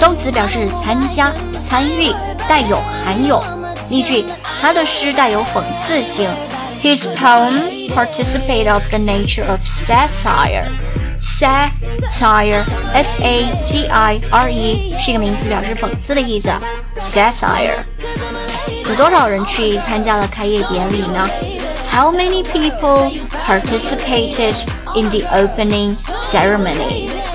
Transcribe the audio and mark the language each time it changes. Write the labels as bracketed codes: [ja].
[zh] 动词表示参加、参与、带有、含有。例句，他的诗带有讽刺性。 [en] His poems participate of the nature of satire. [zh] Satire, S-A-T-I-R-E, 是一个名词，表示讽刺的意思。Satire. 有多少人去参加了开业典礼呢？ [en] How many people participated in the opening ceremony?